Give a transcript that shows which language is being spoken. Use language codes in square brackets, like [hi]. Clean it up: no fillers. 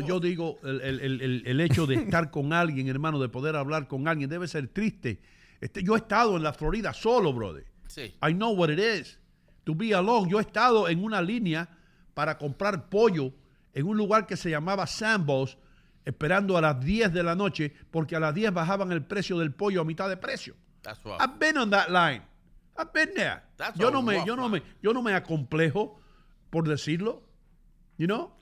[es] Yo digo el hecho de estar con alguien, hermano, de poder hablar con alguien, debe ser triste. Yo he estado en la Florida solo, brother. Sí. [en] I know what it is to be alone. [es] Yo he estado en una línea para comprar pollo en un lugar que se llamaba Sambo's, esperando a las 10 de la noche, porque a las 10 bajaban el precio del pollo a mitad de precio. [en] That's rough. I've been on that line. I've been there. [es] Yo no me acomplejo por decirlo. [en] You know?